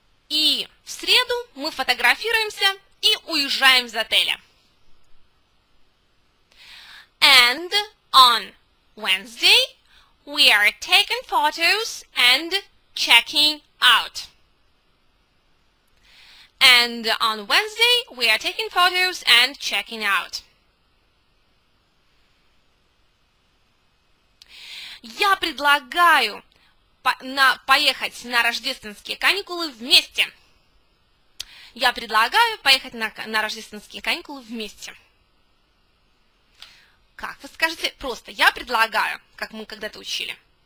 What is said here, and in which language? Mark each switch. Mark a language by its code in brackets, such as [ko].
[ru] И в среду мы фотографируемся и уезжаем из отеля. [en] And on Wednesday, we are taking photos and checking out. And on Wednesday, we are taking photos and checking out. [ru] Я предлагаю поехать на рождественские каникулы вместе. Я предлагаю поехать на рождественские каникулы вместе. Как вы скажете? Просто я предлагаю, как мы когда-то учили.